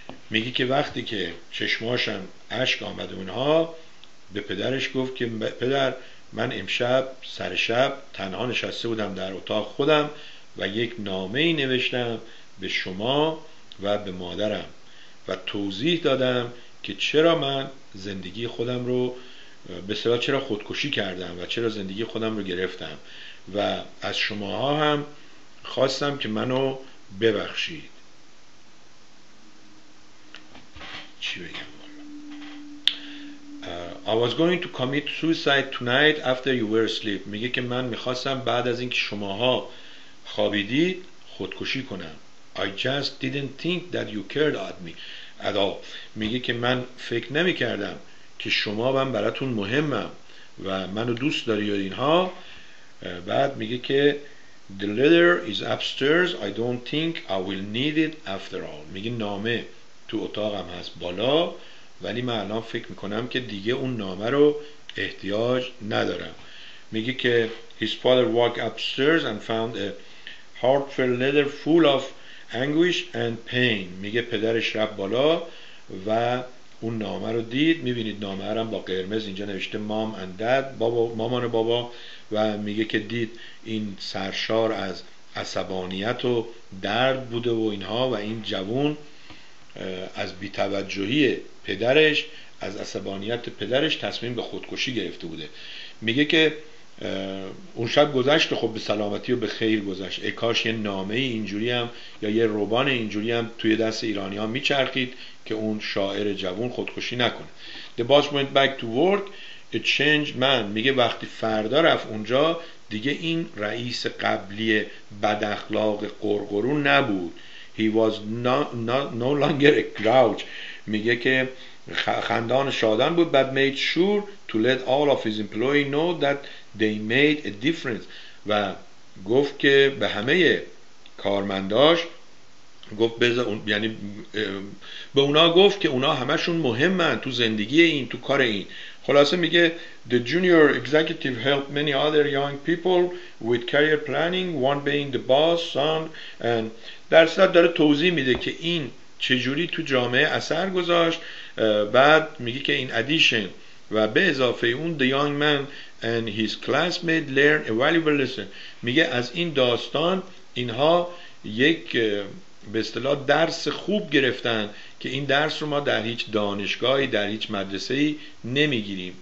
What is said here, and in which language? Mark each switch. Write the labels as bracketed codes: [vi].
[fa] میگه که وقتی که چشماشم عشق آمد اونها به پدرش گفت که پدر من امشب سر شب تنها نشسته بودم در اتاق خودم و یک نامه‌ای نوشتم به شما و به مادرم و توضیح دادم که چرا من زندگی خودم رو به سبب چرا خودکشی کردم و چرا زندگی خودم رو گرفتم و از شماها هم خواستم که منو ببخشید. چی بگم؟ [en] I was going to commit suicide tonight after you were asleep. [fa] میگه که من میخواستم بعد از اینکه شماها خوابیدید خودکشی کنم. [en] I just didn't think that you cared about me. [fa] میگه که من فکر نمی کردم که شما من براتون مهمم و منو دوست داری و اینها. بعد میگه که [en] the letter is upstairs. I don't think I will need it after all. [fa] میگه نامه تو اتاقم هست بالا ولی من الان فکر میکنم که دیگه اون نامه رو احتیاج ندارم. میگه که [en] his father walked upstairs and found a heartfelt letter full of anguish and pain. [fa] میگه پدرش رفت بالا و اون نامه رو دید. میبینید نامه هم با قرمز اینجا نوشته مام اند داد، بابا مامان و بابا، و میگه که دید این سرشار از عصبانیت و درد بوده و اینها و این جوون از بی‌توجهی پدرش، از عصبانیت پدرش تصمیم به خودکشی گرفته بوده. میگه که اون شب گذشت و خب به سلامتی و به خیر گذشت. ای کاش یه نامه اینجوری هم یا یه روبان اینجوری هم توی دست ایرانی ها میچرخید که اون شاعر جوان خودکشی نکنه. [en] The boss went back to work. A changed man. [fa] میگه وقتی فردا رفت اونجا دیگه این رئیس قبلی بد اخلاق قرقرون نبود. [en] He was no longer a grouch. [fa] میگه که خندان شادان بود. [en] But made sure to let all of his employees know that they made a difference. [fa] و گفت که به همه کارمنداش گفت یعنی به اونا گفت که اونا همشون مهمن تو زندگی این، تو کار این. خلاصه میگه [en] the junior executive helped many other young people with career planning, one being the boss son. And [fa] در صورت داره توضیح میده که این چجوری تو جامعه اثر گذاشت. بعد میگه که این [en] addition [fa] و به اضافه اون [en] the young man and his classmate learned a valuable lesson. [fa] میگه از این داستان اینها یک به اصطلاح درس خوب گرفتن که این درس رو ما در هیچ دانشگاهی در هیچ مدرسه‌ای نمیگیریم.